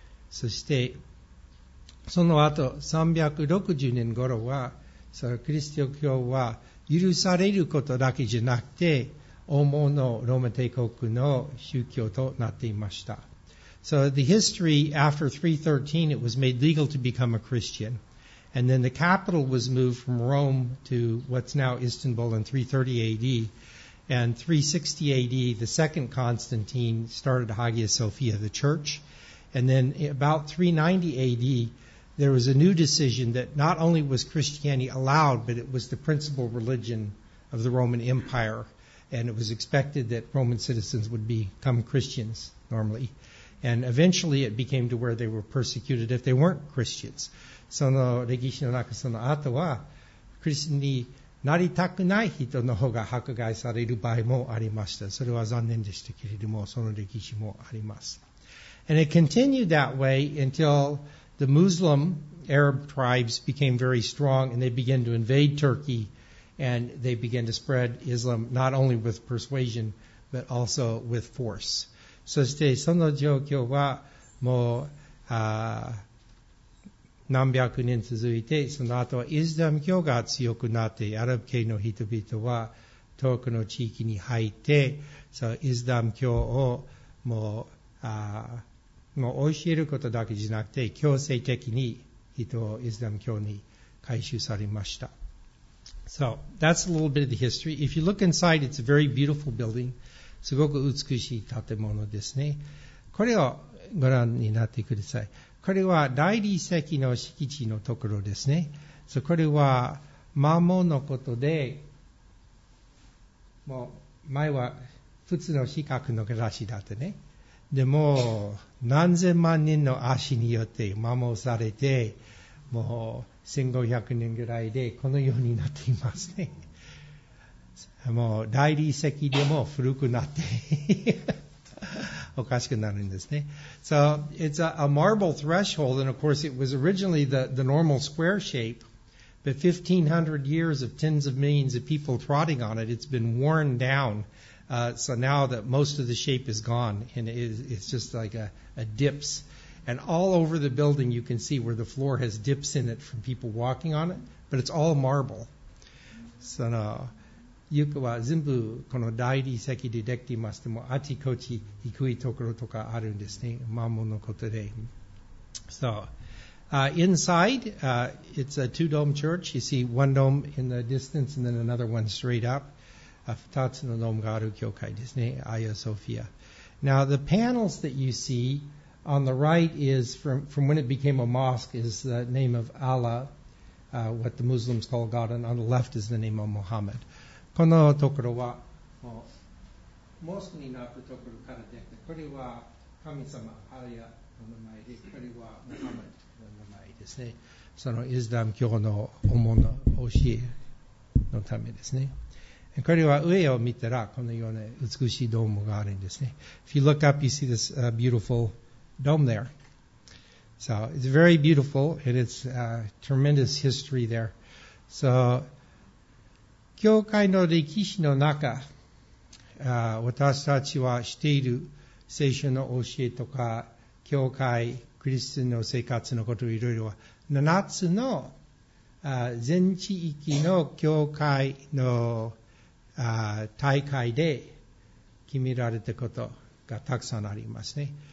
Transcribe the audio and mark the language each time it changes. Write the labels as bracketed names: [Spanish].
[Japanese] そしてその後360年頃はそのキリスト教は許されることだけじゃなくて大物のローマ帝国の宗教となっていました。 [English] So the history after 313 it was made legal to become a Christian. And then the capital was moved from Rome to what's now Istanbul in 330 AD. And 360 AD the second Constantine started Hagia Sophia, the church. And then about 390 AD there was a new decision that not only was Christianity allowed, but it was the principal religion of the Roman Empire. And it was expected that Roman citizens would become Christians normally. And eventually it became to where they were persecuted if they weren't Christians. [Japanese] その歴史の中その後は、クリスチャンになりたくない人の方が迫害される場合もありました。それは残念でしたけれども、その歴史もあります。 [English] And it continued that way until the Muslim Arab tribes became very strong and they began to invade Turkey and they began to spread Islam not only with persuasion but also with force. [Japanese] そしてその状況はもう何百年続いて、その後はイスラム教が強くなってアラブ系の人々は遠くの地域に入って、そのイスラム教をもう教えることだけじゃなくて強制的に人をイスラム教に改宗されました。 [English] So that's a little bit of the history. If you look inside, it's a very beautiful building. [Japanese] すごく美しい建物ですね。これをご覧になってください。これは大理石の敷地のところですね。 So, これは摩耗のことで、もう前は普通の四角の暮らしだったね。でも何千万人の足によって摩耗されて、もう1500年ぐらいでこのようになっていますね。もう大理石でも古くなっておかしくなるんですね。 [English] So it's a marble threshold and of course it was originally the normal square shape, but 1500 years of tens of millions of people trotting on it, it's been worn down. So now that most of the shape is gone, and it's just like a dips. And all over the building you can see where the floor has dips in it from people walking on it, but it's all marble. [Japanese] その床は全部この大理石でできていますでも、あちこち低いところとかあるんですね。摩耗のことで。 [English] So, inside, it's a two-dome church. You see one dome in the distance and then another one straight up. [Japanese] 2つのドームがある教会ですね、アヤソフィア。 [English] Now, the panels that you see on the right is from when it became a mosque is the name of Allah, what the Muslims call God, and on the left is the name of Muhammad. [Japanese] このところは、モスクになったところからできて、これは神様、アヤの名前で、これはモハマドの名前ですね。そのイスラム教の主な教えのためですね。これは上を見たらこのような美しいドームがあるんですね。 [English] If you look up, you see this beautiful dome there. So it's very beautiful and it's a tremendous history there. [Japanese] So 教会の歴史の中、私たちは知っている聖書の教えとか教会、クリスチャンの生活のこといろいろは7つの全地域の教会の大会で決められたことがたくさんありますね。